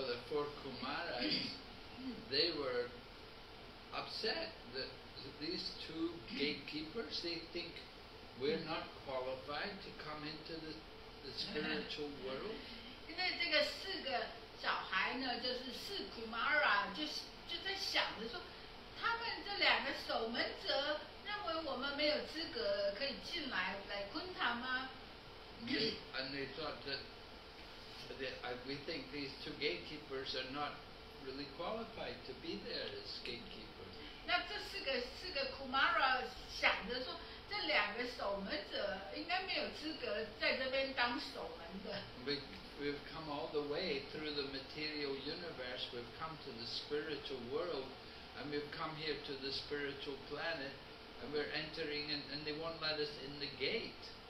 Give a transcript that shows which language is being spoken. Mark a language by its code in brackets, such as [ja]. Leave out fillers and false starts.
[en] the four Kumaras, they were upset that these two gatekeepers, they think we're not qualified to come into the spiritual world. [zh] 因为这个四个小孩呢，就是四 Kumara 就在想着说，他们这两个守门者认为我们没有资格可以进来来 Kuntama。 [en] And they thought that we think these two gatekeepers are not really qualified to be there as gatekeepers. [zh] 那这四个 Kumara 想着说，这两个守门者应该没有资格在这边当守门的。 [en] We've come all the way through the material universe. We've come to the spiritual world, and we've come here to the spiritual planet, and we're entering, and they won't let us in the gate.